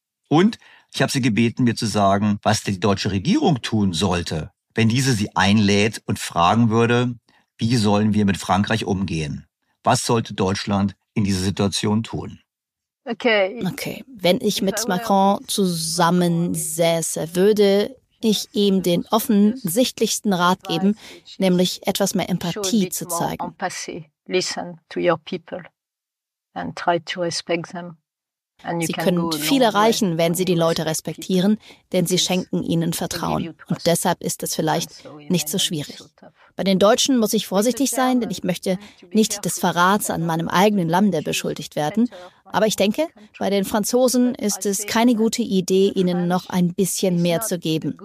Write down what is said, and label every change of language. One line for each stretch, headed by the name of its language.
German: Und ich habe Sie gebeten, mir zu sagen, was die deutsche Regierung tun sollte, wenn diese sie einlädt und fragen würde, wie sollen wir mit Frankreich umgehen? Was sollte Deutschland in dieser Situation tun? Okay. Wenn ich mit Macron zusammensäße, würde ich ihm den offensichtlichsten Rat geben, nämlich etwas mehr Empathie zu zeigen.
English: Listen to your people and try to respect them.
German: Sie können viel erreichen, wenn Sie die Leute respektieren, denn sie schenken ihnen Vertrauen. Und deshalb ist es vielleicht nicht so schwierig. Bei den Deutschen muss ich vorsichtig sein, denn ich möchte nicht des Verrats an meinem eigenen Lande beschuldigt werden. Aber ich denke, bei den Franzosen ist es keine gute Idee, ihnen noch ein bisschen mehr zu geben.